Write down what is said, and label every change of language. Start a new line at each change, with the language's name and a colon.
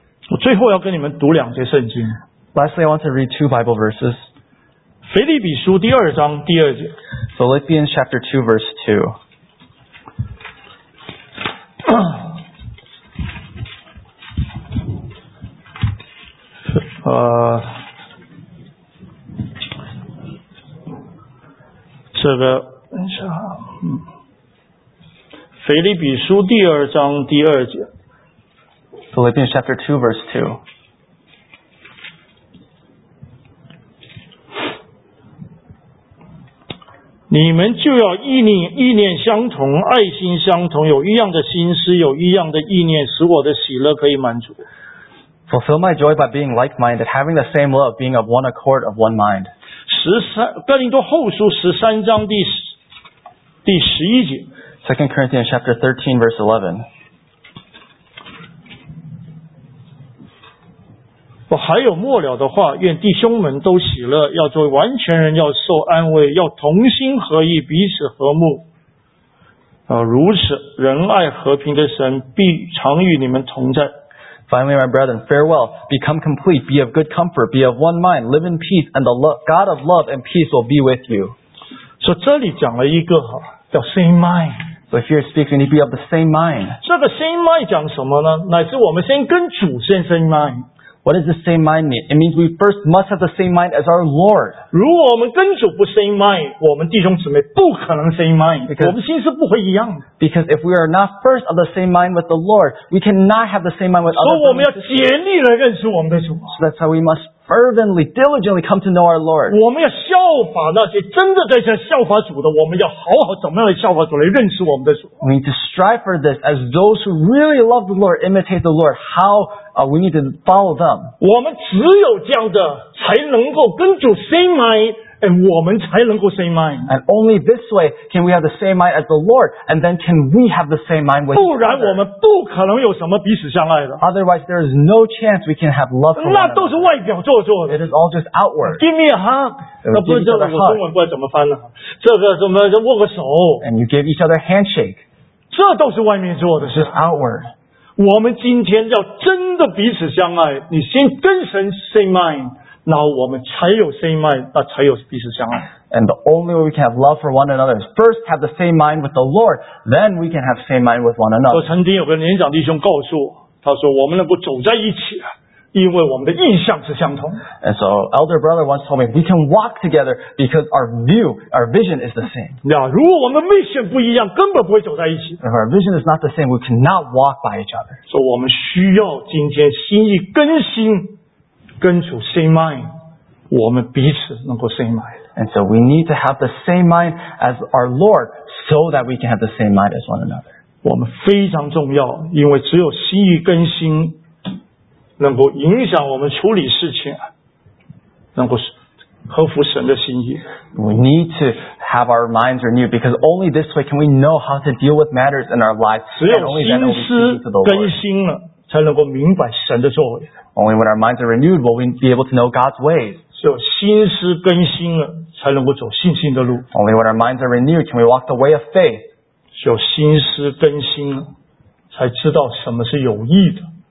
Chinese: 我最后要跟你们读两节圣经。
English: Lastly, I want to read two Bible verses.
Chinese: 腓立比书第二章第二节。
English: Philippians chapter 2 verse 2.
Chinese: 这个等一下。腓立比书第二章第二节。
English: Philippians chapter 2 verse 2.
Chinese: 你们就要意念相同，爱心相同，有一样的心思，有一样的意念，使我的喜乐可以满足。
English: Fulfill my joy by being like-minded, having the same love, being of one accord, of one mind.
Chinese: 哥林多后书十三章第十一节。
English: Second Corinthians chapter 13 verse 11.
Chinese: 我还有末了的话，愿弟兄们都喜乐，要做完全人，要受安慰，要同心合意，彼此和睦。如此，仁爱和平的神必常与你们同在。
English: Finally, my brethren, farewell. Become complete. Be of good comfort. Be of one mind. Live in peace, and the God of love and peace will be with you.
Chinese: 所以这里讲了一个叫
English: same mind。 So here it speaks, we need to be of the same mind.
Chinese: 这个
English: same mind
Chinese: 讲什么呢？乃是我们先跟主先 same mind。
English: What does the same mind mean? It means we first must have the same mind as our Lord.
Chinese: 如果我们跟主不
English: same mind,
Chinese: 我们弟兄姊妹不可能 same mind, 我们心是不会一样的。
English: Because if we are not first of the same mind with the Lord, we cannot have the same mind with others.
Chinese: 所以我们要竭力来认识我们的主。
English: So that's how we must fervently, diligently come to know our Lord.
Chinese: 我们要效法那些真的在这效法主的，我们要好好怎么样来效法主，来认识我们的主。
English: We need to strive for this as those who really love the Lord, imitate the Lord. How we need to follow them.
Chinese: 我们只有这样的才能够跟主
English: same mind, and
Chinese: 我们才能够
English: same mind. And only this way can we have the same mind as the Lord, and then can we have the same mind with Him.
Chinese: 不然我们不可能有什么彼此相爱的。
English: Otherwise, there is no chance we can have love for one another.
Chinese: 那都是外表做作的。
English: It is all just outward. Give me a hug.
Chinese: 那不是这个中文不知道怎么翻了。这个怎么就握个手。
English: And you give each other a handshake.
Chinese: 这都是外面做的。
English: It's just outward.
Chinese: 我们今天要真的彼此相爱，你先跟神
English: same mind，
Chinese: 那我们才有 same mind， 那才有彼此相爱。
English: And the only way we can have love for one another is first have the same mind with the Lord, then we can have same mind with one another.
Chinese: 我曾经有个年长弟兄告诉我，他说我们能够走在一起，因为我们的意向是相同。
English: And so elder brother once told me we can walk together because our view, our vision is the same.
Chinese: 那如果我们的 mission 不一样，根本不会走在一起。
English: If our vision is not the same, we cannot walk by each other.
Chinese: 所以我们需要今天心意更新，跟主
English: same mind，
Chinese: 我们彼此能够 same mind。 And so we need to have the same mind as our Lord, so that we can have the same mind as one another. 我们非常重要，因为只有心意更新。能够影响我们处理事情，能够合乎神的心意。
English: We need to have our minds renewed because only this way can we know how to deal with matters in our lives.
Chinese: 只有心思更新了，才能够明白神的作为。
English: Only when our minds are renewed will we be able to know God's ways.
Chinese: 只有心思更新了，才能够走信心的路。
English: Only when our minds are renewed can we walk the way of faith.
Chinese: 只有心思更新了，才知道什么是有益的。